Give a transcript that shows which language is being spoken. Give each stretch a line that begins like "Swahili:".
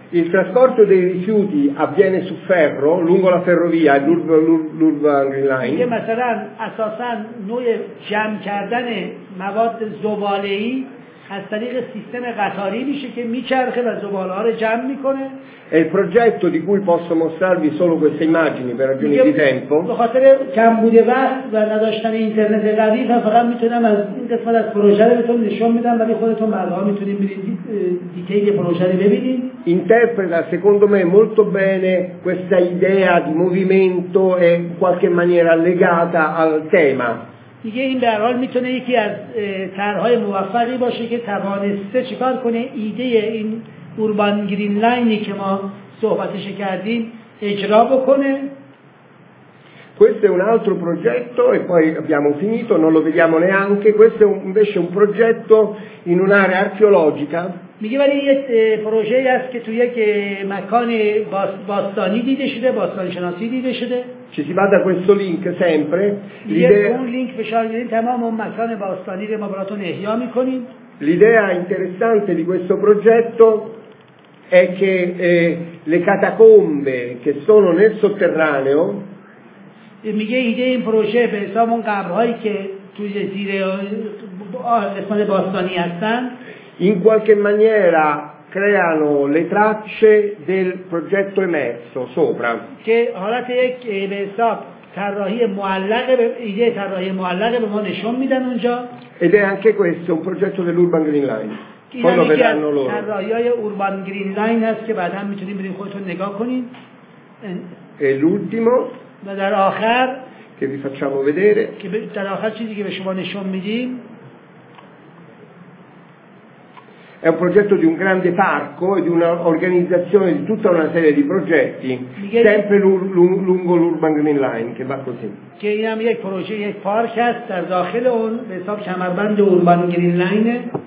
Italian: Il trasporto dei rifiuti avviene su ferro lungo la ferrovia l'Urban Green Line.
Persian: Che مثلا اساسا نوع جمع کردن مواد زباله‌ای از طریق سیستم قطاری میشه که میچرخه و زباله ها رو جمع میکنه.
Italian: Il progetto di cui posso mostrarvi solo queste immagini per ragioni di tempo.
Persian: به خاطر کمبود وقت و نداشتن اینترنت قوی فقط میتونم از این قسمت از پروژه رو بهتون نشون بدم، ولی خودتون بعدا میتونید برید دیتیل پروژه رو ببینید.
Italian: Interpreta secondo me molto bene questa idea di movimento e in qualche maniera legata al tema.
Persian: دیگه این در حال میتونه یکی از طرح‌های موفقی باشه که توانسته چیکار کنه ایده این اوربان گرین لاینی که ما صحبتش کردیم اجرا بکنه.
Italian: Questo è un altro progetto e poi abbiamo finito, non lo vediamo neanche. Questo è invece un progetto in un'area archeologica.
Persian: میگه ولی یه پروژه است که توی یک مکان باستانی دیده شده، باستان شناسی دیده شده.
Italian: Ci si va da questo link sempre.
Persian: L'idea un link فشار میدین تمام اون مکان باستانی رو ما براتون احیا میکنیم.
Italian: L'idea interessante di questo progetto è che le catacombe che sono nel sotterraneo.
Persian: میگه ایده این پروژه به حساب اون قبرهایی که توی زیر قسمت باستانی هستن
Italian: in qualche maniera creano le tracce del progetto emerso sopra.
Persian: Che حالت یک به حساب طراحی معلق به ایده طراحی معلق به ما نشون میدن اونجا.
Italian: Ed è anche questo un progetto dell'Urban Green Line. Poi lo vedranno loro.
Persian: Che طراحی Urban Green Line هست که بعدا میتونید برید خودتون نگاه کنین.
Italian: E l'ultimo
Persian: و در آخر
Italian: که vi facciamo vedere
Persian: که در آخر چیزی که به شما نشون میدیم
Italian: è un progetto di un grande parco e di un'organizzazione di tutta una serie di progetti sempre lungo l'Urban Green Line che va così. Che è un progetto, un parco all'interno del cammerband Urban Green Line.